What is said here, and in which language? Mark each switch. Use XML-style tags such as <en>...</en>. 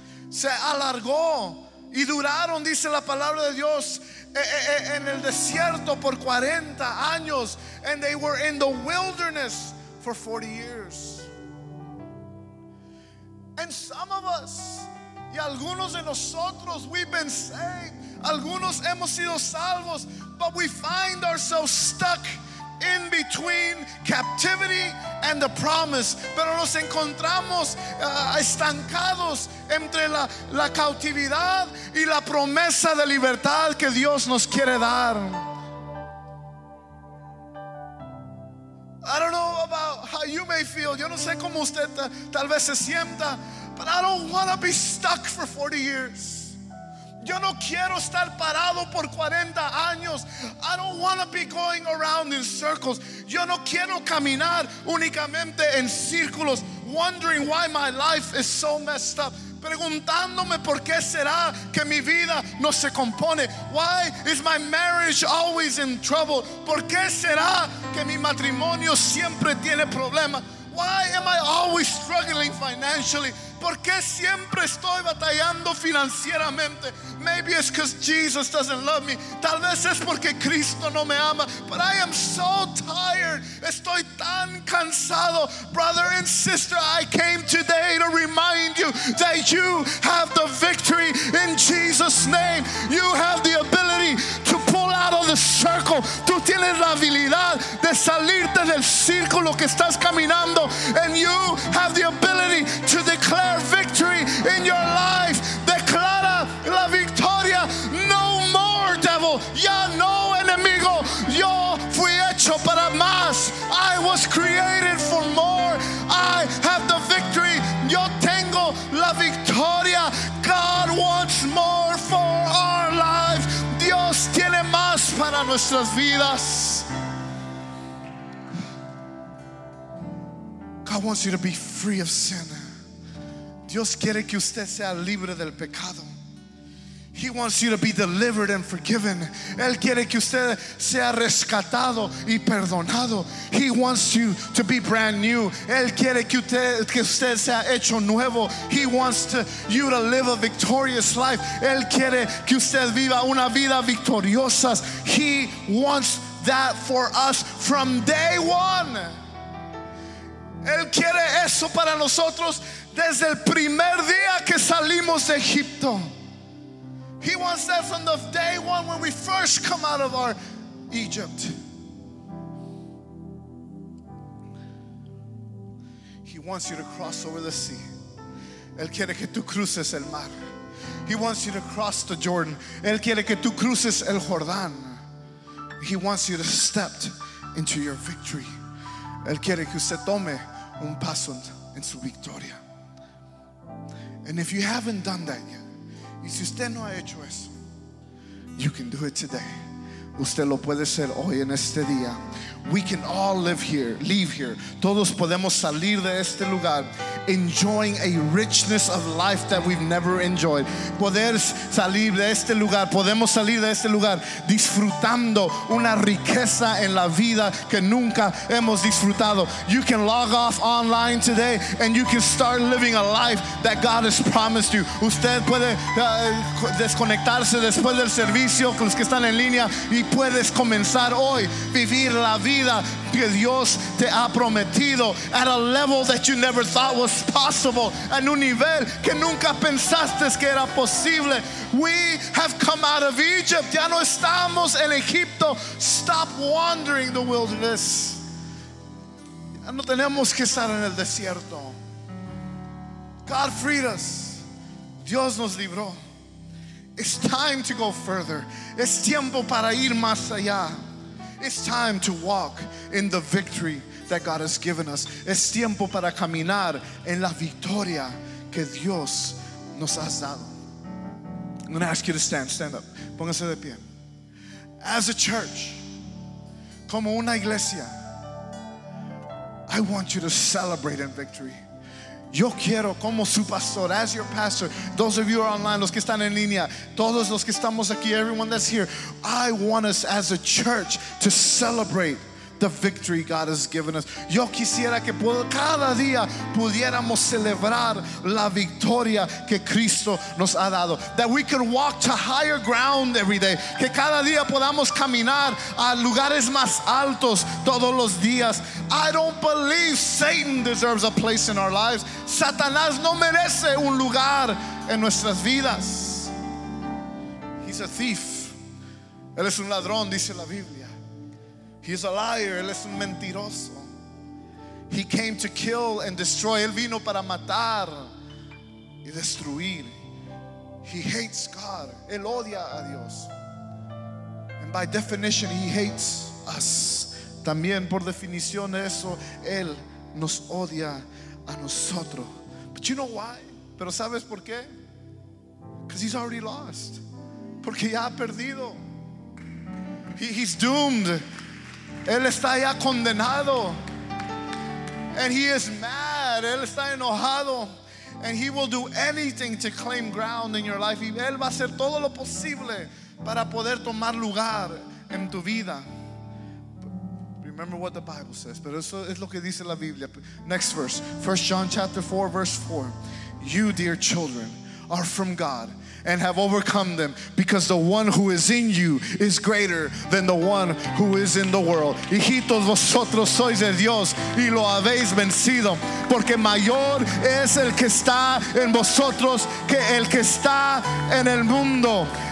<es>Se alargó y duraron, dice la palabra de Dios, en el desierto por 40 años.</es> <en>And they were in the wilderness for 40 years. And some of us,</en> <es>y algunos de nosotros,</es> <en>we've been saved.</en> <es>Algunos hemos sido salvos,</es> <en>but we find ourselves stuck in between captivity and the promise.</en> <es>Pero nos encontramos estancados entre la cautividad y la promesa de libertad que Dios nos quiere dar.</es> <en>I don't know about how you may feel.</en> <es>Yo no sé cómo usted tal vez se sienta,</es> <en>but I don't want to be stuck for 40 years.</en> <es>Yo no quiero estar parado por 40 años.</es> <en>I don't want to be going around in circles.</en> <es>Yo no quiero caminar únicamente en círculos,</es> <en>wondering why my life is so messed up.</en> <es>Preguntándome por qué será que mi vida no se compone.</es> <en>Why is my marriage always in trouble?</en> <es>¿Por qué será que mi matrimonio siempre tiene problemas?</es> <en>Why am I always struggling financially?</en> <es>¿Por qué siempre estoy batallando financieramente?</es> <en>Maybe it's because Jesus doesn't love me.</en> <es>Tal vez es porque Cristo no me ama.</es> <en>But I am so tired.</en> <es>Estoy tan cansado.</es> <en>Brother and sister, I came today to remind you that you have the victory in Jesus' name. You have the ability to pull out of the circle.</en> <es>Tú tienes la habilidad de salirte del círculo que estás caminando.</es> <en>And you have the ability to declare victory in your life.</en> <es>Declara la victoria.</es> <en>No more devil.</en> <es>Ya no enemigo. Yo fui hecho para más.</es> <en>I was created for more. I have the victory.</en> <es>Yo tengo la victoria.</es> <en>God wants more for our lives.</en> <es>Dios tiene más para nuestras vidas.</es> <en>God wants you to be free of sin.</en> <es>Dios quiere que usted sea libre del pecado.</es> <en>He wants you to be delivered and forgiven.</en> <es>Él quiere que usted sea rescatado y perdonado.</es> <en>He wants you to be brand new.</en> <es>Él quiere que usted sea hecho nuevo.</es> <en>He wants you to live a victorious life.</en> <es>Él quiere que usted viva una vida victoriosa.</es> <en>He wants that for us from day one.</en> <es>Él quiere eso para nosotros desde el primer día que salimos de Egipto.</es> <en>He wants that from the day one when we first come out of our Egypt. He wants you to cross over the sea.</en> <es>Él quiere que tú cruces el mar.</es> <en>He wants you to cross the Jordan.</en> <es>Él quiere que tú cruces el Jordán.</es> <en>He wants you to step into your victory.</en> <es>Él quiere que usted tome un paso en su victoria.</es> <en>And if you haven't done that yet,</en> <es>y si usted no ha hecho eso,</es> <en>you can do it today.</en> <es>Usted lo puede hacer hoy en este día.</es> <en>We can all live here, leave here.</en> <es>Todos podemos salir de este lugar</es> <en>enjoying a richness of life that we've never enjoyed.</en> <es>Poder salir de este lugar, podemos salir de este lugar disfrutando una riqueza en la vida que nunca hemos disfrutado.</es> <en>You can log off online today and you can start living a life that God has promised you.</en> <es>Usted puede desconectarse después del servicio, los que están en línea, y puedes comenzar hoy vivir la vida que Dios te ha prometido</es> <en>at a level that you never thought was possible,</en> <es>en un nivel que nunca pensaste que era posible.</es> <en>We have come out of Egypt.</en> <es>Ya no estamos en Egipto.</es> <en>Stop wandering the wilderness.</en> <es>Ya no tenemos que estar en el desierto.</es> <en>God freed us.</en> <es>Dios nos libró.</es> <en>It's time to go further.</en> <es>Es tiempo para ir más allá.</es> <en>It's time to walk in the victory that God has given us.</en> <es>Es tiempo para caminar en la victoria que Dios nos ha dado.</es> <en>I'm going to ask you to stand. Stand up.</en> <es>Póngase de pie.</es> <en>As a church,</en> <es>como una iglesia,</es> <en>I want you to celebrate in victory.</en> <es>Yo quiero, como su pastor,</es> <en>as your pastor, those of you who are online,</en> <es>los que están en línea, todos los que estamos aquí,</es> <en>everyone that's here, I want us as a church to celebrate the victory God has given us.</en> <es>Yo quisiera que cada día pudiéramos celebrar la victoria que Cristo nos ha dado.</es> <en>That we can walk to higher ground every day.</en> <es>Que cada día podamos caminar a lugares más altos todos los días.</es> <en>I don't believe Satan deserves a place in our lives.</en> <es>Satanás no merece un lugar en nuestras vidas.</es> <en>He's a thief.</en> <es>Él es un ladrón, dice la Biblia.</es> <en>He's a liar.</en> <es>Él es un mentiroso.</es> <en>He came to kill and destroy.</en> <es>Él vino para matar y destruir.</es> <en>He hates God.</en> <es>Él odia a Dios.</es> <en>And by definition, he hates us.</en> <es>También por definición de eso, él nos odia a nosotros.</es> <en>But you know why?</en> <es>Pero ¿sabes por qué?</es> <en>Because he's already lost.</en> <es>Porque ya ha perdido.</es> <en>He's doomed.</en> <es>Él está ya condenado.</es> <en>And he is mad.</en> <es>Él está enojado.</es> <en>And he will do anything to claim ground in your life.</en> <es>Y él va a hacer todo lo posible para poder tomar lugar en tu vida.</es> <en>Remember what the Bible says.</en> <es>Pero eso es lo que dice la Biblia.</es> <en>Next verse. 1 John chapter 4, verse 4. You, dear children, are from God and have overcome them, because the one who is in you is greater than the one who is in the world.</en> <es>Hijitos, vosotros sois de Dios y lo habéis vencido, porque mayor es el que está en vosotros que el que está en el mundo.</es>